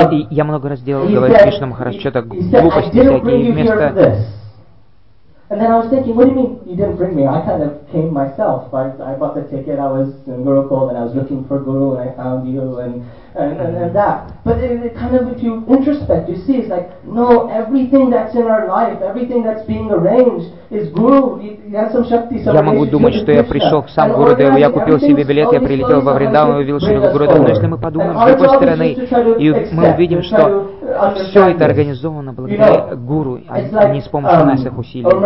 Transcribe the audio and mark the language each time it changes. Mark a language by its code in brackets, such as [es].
[ru] Я много раз делал, говорю Кришна Махарадж, что-то глупости всякие, и вместо... [en] And then I was thinking, what do you mean you didn't bring me? I kind of came myself. I bought the ticket, I was in Gurukul, and I was looking for Guru, and I found you, and that. But it kind of, if you introspect, you see, it's like, no, everything that's in our life, everything that's being arranged, [ru] Я могу думать, что я пришел к сам Гурудеву, я купил себе билет, я прилетел во Вриндаву и увидел Шрилу Гурудеву. Но если мы подумаем с другой стороны, и мы увидим, что все это организовано благодаря Гуру, а не с помощью наших усилий.